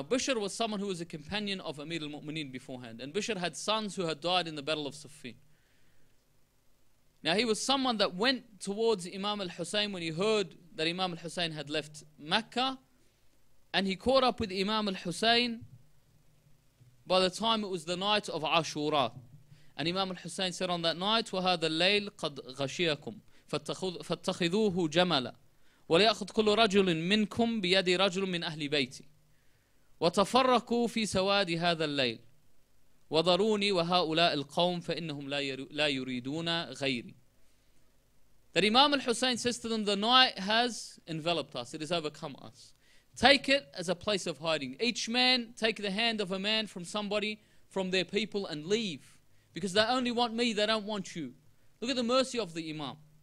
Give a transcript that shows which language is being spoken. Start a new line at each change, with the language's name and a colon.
English: Now, Bishr was someone who was a companion of Amir al-Mu'mineen beforehand. And Bishr had sons who had died in the Battle of Siffin. Now, he was someone that went towards Imam al-Husayn when he heard that Imam al-Husayn had left Mecca. And he caught up with Imam al-Husayn by the time it was the night of Ashura. And Imam al-Husayn said on that night,
Arabic: وَهَذَا اللَّيْلِ قَدْ غَشِيَكُمْ فَاتَّخِذُوهُ جَمَلًا وَلْيَأْخُدْ كُلُّ رَجُلٍ مِّنْكُمْ بِيَدِ رَجُلٌ مِّنْ أَهْلِ بَيْتِي وَتَفَرَّقُوا فِي سَوَادِ هَذَا اللَّيْلِ وَضَرُونِي وَهَؤُلَاءِ الْقَوْمِ فَإِنَّهُمْ لَا يُرِيدُونَ غَيْرِي.
English: That Imam al-Husayn says to them, the night has enveloped us, it has overcome us. Take it as a place of hiding. Each man take the hand of a man from somebody, from their people, and leave. Because they only want me, they don't want you. Look at the mercy of the Imam.